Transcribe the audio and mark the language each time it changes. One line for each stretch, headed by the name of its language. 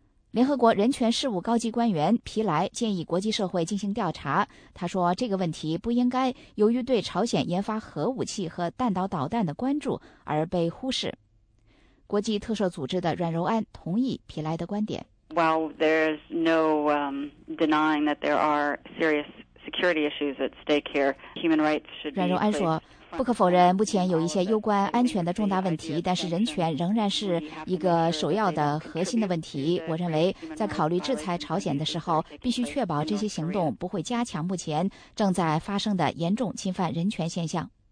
Chinese: 联合国人权事务高级官员皮莱建议国际社会进行调查，他说这个问题不应该由于对朝鲜研发核武器和弹道导弹的关注而被忽视。国际特赦组织的阮柔安同意皮莱的观点。
English: While there's no denying that there are serious security issues at stake here. Human rights should be.
Chinese: 阮荣安说，不可否认，目前有一些攸关安全的重大问题，但是人权仍然是一个首要的核心的问题。我认为，在考虑制裁朝鲜的时候，必须确保这些行动不会加强目前正在发生的严重侵犯人权现象。